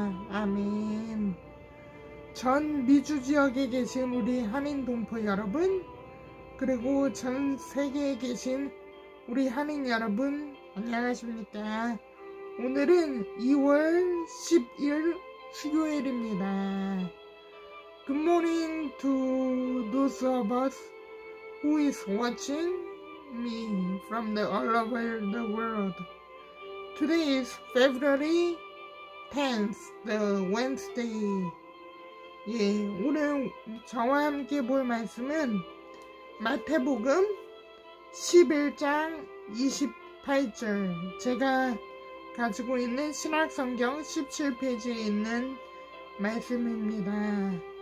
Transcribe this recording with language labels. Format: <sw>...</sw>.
<ko>아멘. 전 미주 지역에 계신 우리 한인 동포 여러분, 그리고 전 세계에 계신 우리 한인 여러분, 안녕하십니까? 오늘은 2월 10일 수요일입니다.</ko> <en>Good morning to those of us who is watching me from the all over the world. Today is February 10th, the Wednesday.</en> <ko>오늘 저와 함께 볼 말씀은 마태복음 11장 28절. 제가 가지고 있는 신약성경 17페이지에 있는 말씀입니다.</ko>